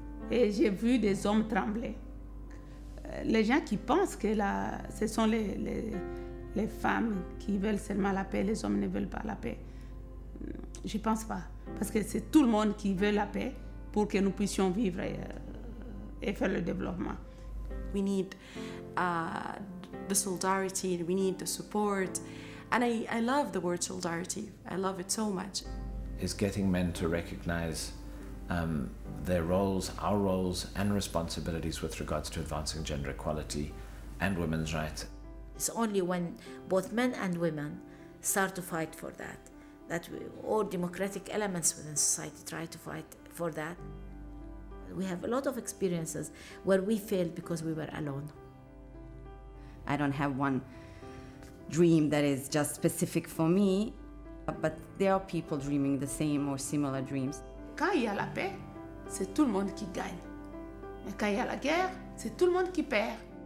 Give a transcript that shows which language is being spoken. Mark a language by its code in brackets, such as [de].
[fr] Et j'ai vu des hommes trembler. Les gens qui pensent que la, ce sont les femmes qui veulent seulement la paix, les hommes ne veulent pas la paix. Je pense pas. Parce que c'est tout le monde qui veut la paix pour que nous puissions vivre et faire le développement. [en] We need the solidarity, we need the support. And I love the word solidarity. I love it so much. It's getting men to recognize their roles, our roles, and responsibilities with regards to advancing gender equality and women's rights. It's only when both men and women start to fight for that, that we, all democratic elements within society try to fight for that. We have a lot of experiences where we failed because we were alone. I don't have one dream that is just specific for me, but there are people dreaming the same or similar dreams. [fr] Quand il y a la paix, c'est tout le monde qui gagne. Mais quand il y a la guerre, c'est tout le monde qui perd.